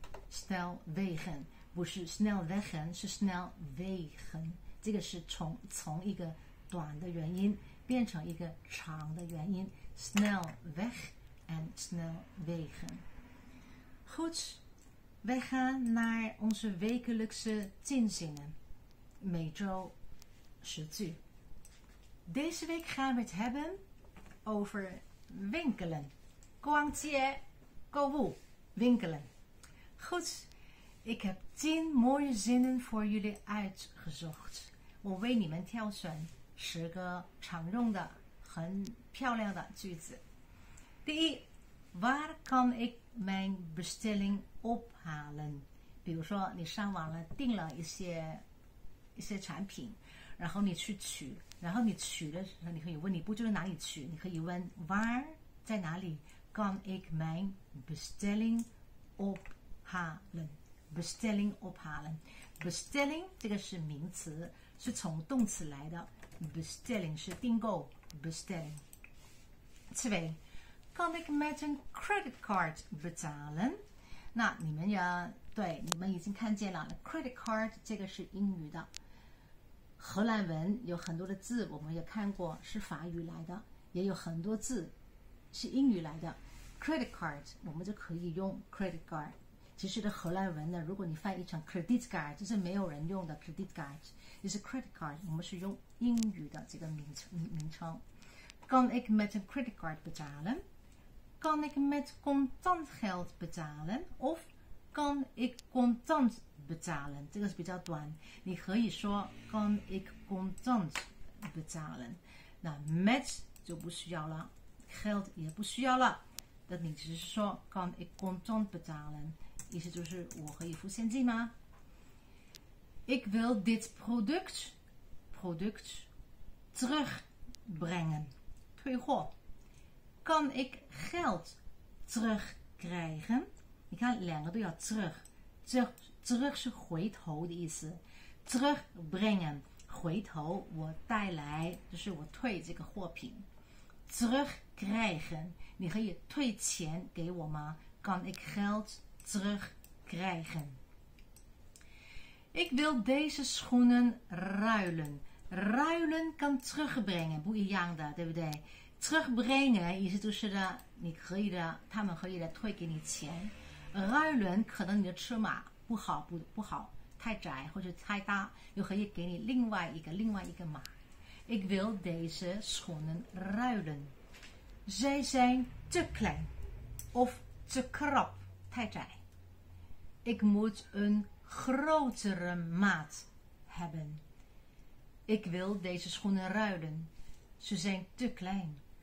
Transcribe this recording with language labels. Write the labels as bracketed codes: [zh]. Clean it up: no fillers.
[nl] snelwegen。 [zh] 不是 snelwegen，是 snelwegen。这个是从一个短的元音变成一个长的元音，snelweg and snelwegen。 [nl] Goed, wij gaan naar onze wekelijkse zinzingen， [zh] 每周十句。 [nl] Deze week gaan we het hebben over winkelen， [zh] 逛街、购物、 [nl] winkelen。Goed。 Ik heb 10 mooie zinnen voor jullie uitgezocht. [zh] 我为你们挑选十个常用的、很漂亮的句子。第一， [nl] Waar kan ik mijn bestelling ophalen？ [zh] 比如说，你上网了订了一些产品，然后你去取，然后你取的时候，你可以问你不就是哪里取？你可以问 [nl] Waar [zh] 在哪里？ [nl] Kan ik mijn bestelling ophalen？ Bestelling ophalen. [zh] Bestelling 这个是名词，是从动词来的。 Bestelling 是订购。 [nl] Bestelling. 2. Kan ik met een credit card betalen? [zh] 那你们要对，你们已经看见了 credit card， 这个是英语的。荷兰文有很多的字，我们也看过是法语来的，也有很多字是英语来的。 credit card 我们就可以用 credit card。其实的荷兰文呢，如果你翻译成 credit card， 就是没有人用的 credit card， 就是 credit card。我们是用英语的这个名称。 [nl] Kan ik met een credit card betalen？ Kan ik met contant geld betalen？ Of kan ik contant betalen？ [zh] 这个是比较短，你可以说 [nl] kan ik contant betalen。 [zh] 那 met 就不需要了 ，geld 也不需要了。 [nl] 那你只是说 kan ik contant betalen？ [zh] 意思就是我可以付现金吗 [nl] ？Ik wil dit product terugbrengen， [zh] 退货。 [nl] Kan ik geld terugkrijgen？ [zh] 你看两个都要 terug 是回头的意思 ，terugbrengen 回头，我带来就是我退这个货品。 [nl] Terugkrijgen， [zh] 你可以退钱给我吗 [nl] ？Kan ik geld terugkrijgen？ Krijgen. Ik wil deze schoenen ruilen. Ruilen kan terugbrengen. [zh] 不一样的，对不对？ Terugbrengen 意思就是的，你可以的，他们可以的退给你钱。 Ruilen 可能你的尺码不好，不好，太窄或者太大，又可以给你另外一个码。 [nl] Ik wil deze schoenen ruilen. Zij zijn te klein of te krap. [zh] 太窄。 [nl] Ik moet een grotere maat hebben. Ik wil deze schoenen ruilen. Ze zijn te klein.